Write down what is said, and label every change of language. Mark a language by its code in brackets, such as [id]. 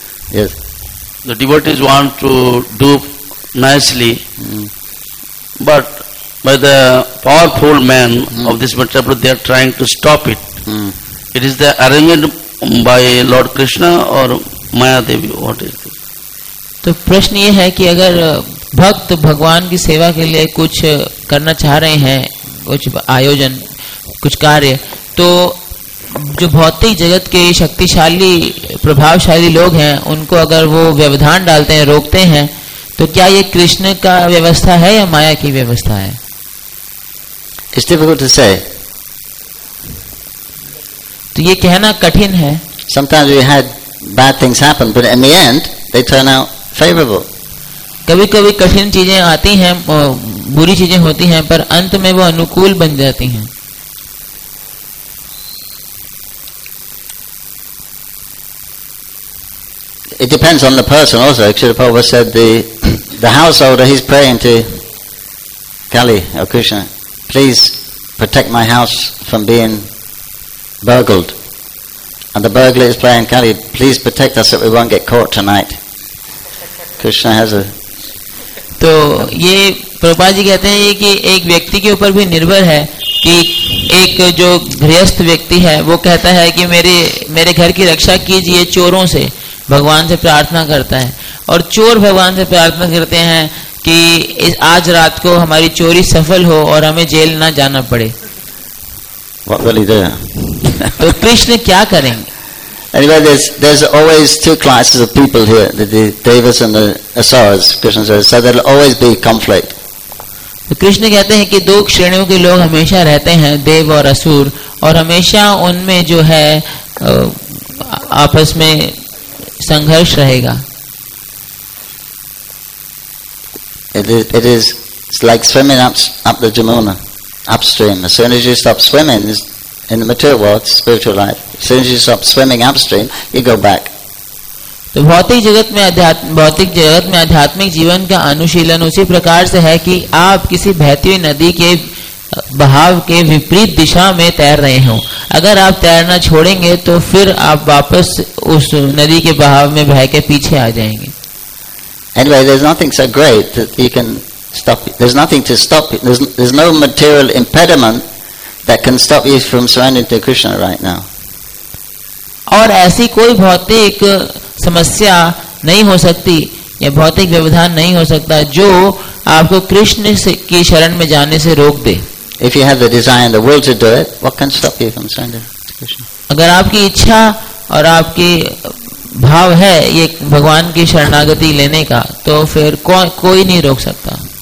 [en] Yes, the devotees want to do nicely, but by the powerful man of this material, they are trying to stop it. It is the arrangement by Lord Krishna or Mayadevi. What is the? [hi] तो प्रश्न ये है कि अगर भक्त भगवान की सेवा के लिए कुछ करना चाह रहे हैं, कुछ आयोजन, कुछ कार्य, तो जो भौतिक जगत के शक्तिशाली प्रभावशाली लोग हैं, उनको अगर वो व्यवधान डालते हैं, रोकते हैं, तो क्या ये कृष्ण का व्यवस्था है या माया की व्यवस्था है? [en] It's difficult to say. [hi] तो ये कहना कठिन है. [en] Sometimes we had bad things happen, but in the end, they turn out favorable. [hi] कभी कभी कठिन चीजें आती हैं, बुरी चीजें होती हैं, पर अंत में वो अनुकूल बन जाती हैं. [en] It depends on the person also. Actually, Prabhupada said the householder, he's praying to Kali or Krishna, please protect my house from being burgled. And the burglar is praying, Kali, please protect us that we won't get caught tonight. Krishna has a [hi] तो ये प्रभुपाद जी कहते हैं कि एक व्यक्ति के ऊपर भी निर्भर है कि एक जो गृहस्थ व्यक्ति है वो कहता है कि मेरे घर की रक्षा कीजिए चोरों से, भगवान से प्रार्थना करता है, और चोर भगवान से प्रार्थना करते हैं कि इस आज रात को हमारी चोरी सफल हो और हमें जेल ना जाना पड़े. [en] What will he do? [hi] तो कृष्ण क्या करेंगे? [en] Anyway, there's always two classes of people here, the devas and the asuras, Krishna says. So there'll always be conflict. [hi] Krishna कहते हैं कि दो श्रेणियों के लोग हमेशा रहते हैं, देव और असुर, और हमेशा उनमें जो है आपस में संघर्ष रहेगा. [en] It is like swimming up the Jamuna, upstream. As soon as you stop swimming, in the material world, spiritual life, as soon as you stop swimming upstream, you go back. [hi] तो भौतिक जगत में आध्यात्मिक जीवन का अनुशीलन उसी प्रकार से है कि आप किसी बहती हुई नदी के बहाव के विपरीत दिशा में तैर रहे हो. अगर आप तैरना छोड़ेंगे तो फिर आप वापस उस नदी के बहाव में बह के पीछे आ जाएंगे. [en] Anyway, there's nothing so great that you can stop it. There's nothing to stop it. There's no material impediment that can stop you from surrendering to Krishna right now. [hi] और ऐसी कोई भौतिक समस्या नहीं हो सकती या भौतिक व्यवधान नहीं हो सकता जो आपको कृष्ण की शरण में जाने से रोक दे. [en] If you have the desire and the will to do it, what can stop you from surrendering to Krishna? [hi] अगर आपकी इच्छा और आपकी भाव है ये भगवान की शरणागति लेने का, तो फिर कोई नहीं रोक सकता.